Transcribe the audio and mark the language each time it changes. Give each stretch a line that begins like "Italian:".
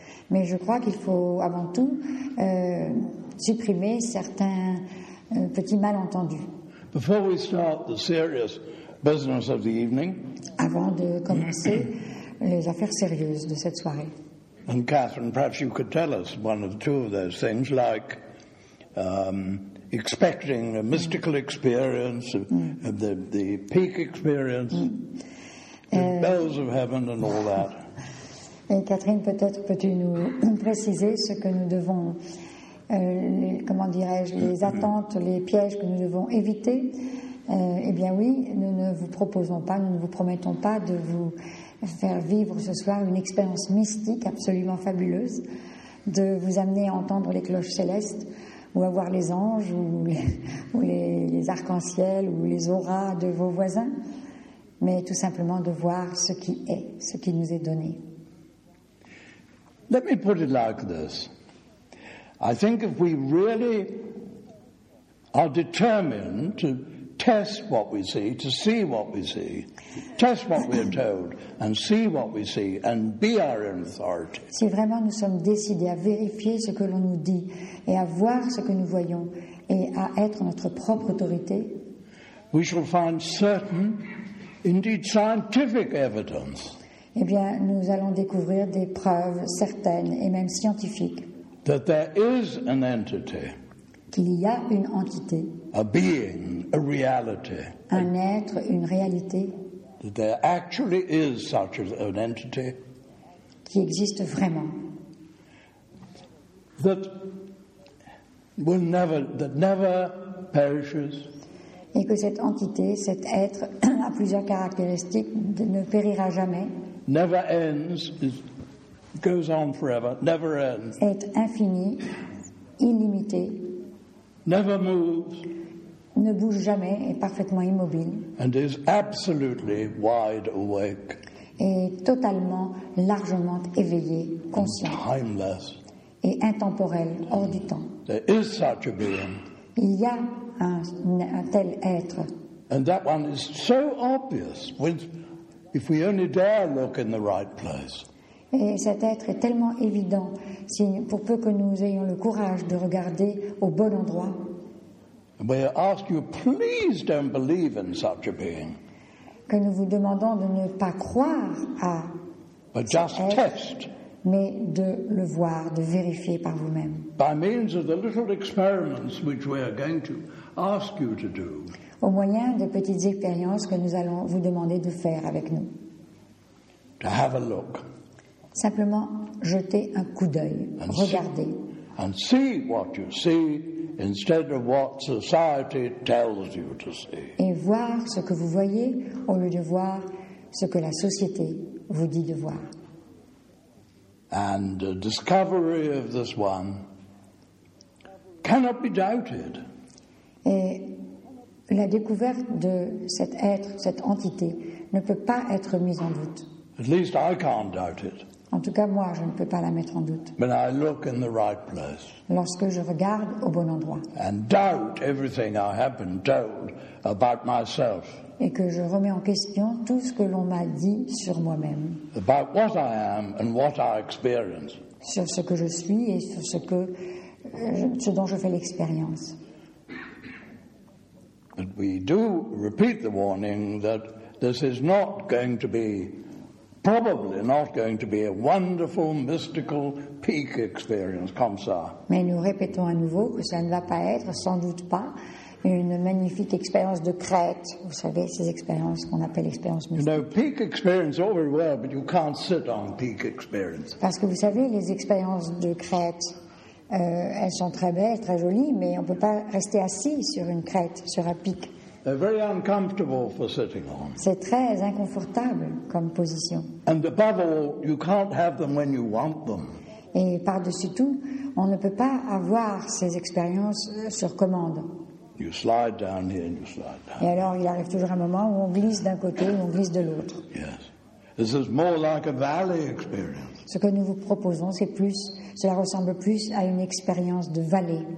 French: Mais je crois qu'il faut avant tout supprimer certains petits malentendus.
English: Before we start the serious business of the evening,
French: avant de commencer les affaires sérieuses de cette soirée.
English: And Catherine, perhaps you could tell us one or two of those things, like expecting a mystical experience, the peak experience, the bells of heaven, and all that.
French: Et Catherine, peut-être peux-tu nous préciser ce que nous devons, comment dirais-je, les attentes, les pièges que nous devons éviter. Eh bien oui, nous ne vous proposons pas, nous ne vous promettons pas de vous faire vivre ce soir une expérience mystique absolument fabuleuse, de vous amener à entendre les cloches célestes, ou à voir les anges, ou les arcs-en-ciel, ou les auras de vos voisins, mais tout simplement de voir ce qui est, ce qui nous est donné.
English: Let me put it like this. I think if we really are determined to test what we see, to see what we see, test what we are told, and see what we see, and be our own authority.
French: Si vraiment nous sommes décidés à vérifier ce que l'on nous dit, et à voir ce que nous voyons, et à être notre propre autorité,
English: we shall find certain, indeed scientific evidence.
French: Eh bien, nous allons découvrir des preuves certaines et même scientifiques.
English: That there is an entity.
French: Qu'il y a une entité.
English: A being, a reality.
French: Un être, une réalité.
English: That there actually is such an entity.
French: Qui existe vraiment.
English: That will never, that never perishes.
French: Et que cette entité, cet être, a plusieurs caractéristiques, ne périra jamais.
English: Never ends, it goes on forever, never ends.
French: Est infini, illimité,
English: never moves,
French: ne bouge jamais, est parfaitement immobile,
English: and is absolutely wide awake,
French: est totalement, largement éveillé, conscient,
English: timeless,
French: et intemporel, hors du temps.
English: There is such a being.
French: Il y a un tel être.
English: And that one is so obvious with, if we only dare look in the right place.
French: Et cet être est tellement évident, si, pour peu que nous ayons le courage de regarder au bon endroit.
English: We ask you, please don't believe in such a being.
French: Que nous vous demandons de ne pas croire à
English: but just
French: cet être,
English: test.
French: Mais de le voir, de vérifier par vous-même.
English: By means of the little experiments which we are going to ask you to do.
French: Au moyen des petites expériences que nous allons vous demander de faire avec nous.
English: To have a look.
French: Simplement jeter un coup d'œil, regarder.
English: And see what you see instead of what society tells you to see.
French: Et voir ce que vous voyez au lieu de voir ce que la société vous dit de voir.
English: And the discovery of this one cannot be doubted.
French: Et la découverte de cet être, cette entité, ne peut pas être mise en doute.
English: At least I can't doubt it.
French: En tout cas, moi, je ne peux pas la mettre en doute.
English: When I look in the right place.
French: Lorsque je regarde au bon endroit.
English: And doubt everything I have been told about myself.
French: Et que je remets en question tout ce que l'on m'a dit sur moi-même.
English: About what I am and what I experience.
French: Sur ce que je suis et sur ce dont je fais l'expérience.
English: But we do repeat the warning that this is not going to be, probably not going to be a wonderful mystical peak experience
French: comme ça. Mais nous répétons à nouveau que ça ne va pas être, sans doute pas, une magnifique expérience de crête. Vous savez, ces expériences qu'on appelle expériences mystiques.
English: You know, peak experience all very well, but you can't sit on peak experience.
French: Parce que vous savez, les expériences de crête, elles sont très belles, très jolies, mais on ne peut pas rester assis sur une crête, sur un pic.
English: They're very uncomfortable for sitting on.
French: C'est très inconfortable comme position.
English: And above all, you can't have them when you want them.
French: Et par-dessus tout, on ne peut pas avoir ces expériences sur commande.
English: You slide down here and you slide down.
French: Et alors, il arrive toujours un moment où on glisse d'un côté ou on glisse de l'autre.
English: Yes. This is more like a valley experience.
French: Ce que nous vous proposons, c'est plus, cela ressemble plus à une expérience de vallée.